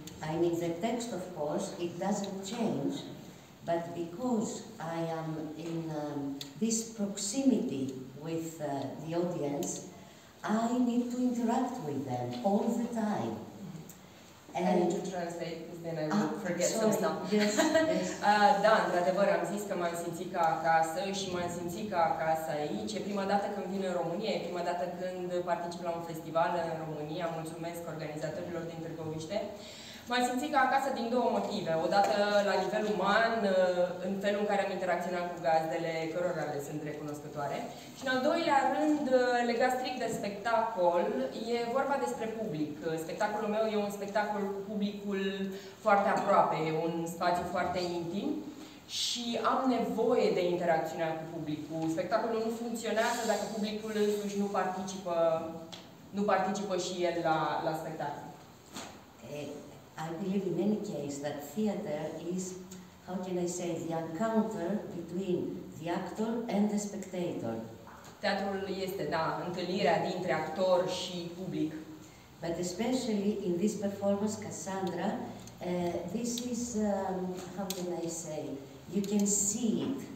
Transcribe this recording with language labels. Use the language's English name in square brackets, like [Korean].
[English] I mean, the text, of course, it doesn't change. But because I am in this proximity with the audience, I need to interact with them all the time. And I need to translate, because then I will forget some stuff. Yes, yes. [Romanian] Da, într-adevăr, am zis că m-am simțit ca acasă și m-am simțit ca acasă aici. E prima dată când vin în România, e prima dată când particip la un festival în România. Mulțumesc organizatorilor din Târgoviște. M-am simțit ca acasă din două motive. Odată la nivel uman, în felul în care am interacționat cu gazdele, cărora le sunt recunoscătoare. Și în al doilea rând, legat strict de spectacol, e vorba despre public. Spectacolul meu e un spectacol cu publicul foarte aproape, e un spațiu foarte intim. Și am nevoie de interacțiunea cu publicul. Spectacolul nu funcționează dacă publicul însuși nu participă, nu participă și el la, la spectacol. [English] I believe in any case that theater is, how can I say, the encounter between the actor and the spectator. [Romanian] Teatrul este, da, întâlnirea dintre actor și public. [English] But especially in this performance, Cassandra, this is, how can I say, you can see it.